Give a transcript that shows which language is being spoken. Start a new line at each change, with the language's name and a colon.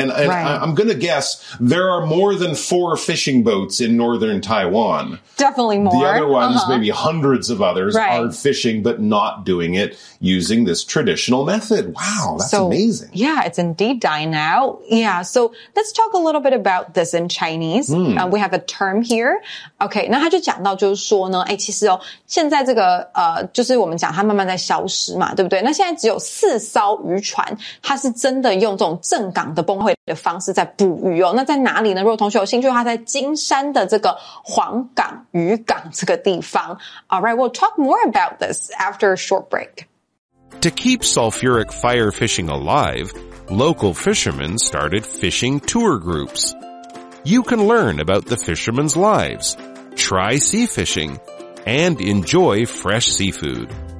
English: And I'm going to guess there are more than four fishing boats in northern Taiwan. Definitely more. The other ones, maybe hundreds of others, are fishing but not doing it using this traditional method. Wow, that's amazing. Yeah, it's indeed dying out. Yeah, so let's talk a little bit about this in Chinese. We have a term here.
Chinese: Okay, 那他就讲到就是说呢，其实哦，现在这个就是我们讲它慢慢在消失嘛，对不对？那现在只有四艘渔船，它是真的用这种正港的崩溃的方式在捕鱼哦。那在哪里呢？如果同学有兴趣的话，在金山的这个黄港渔港这个地方。
English: Alright, we'll talk more about this after a short break. To keep sulfuric fire fishing alive, local fishermen started fishing tour groups. You can learn about the fishermen's lives, try sea fishing, and enjoy fresh seafood.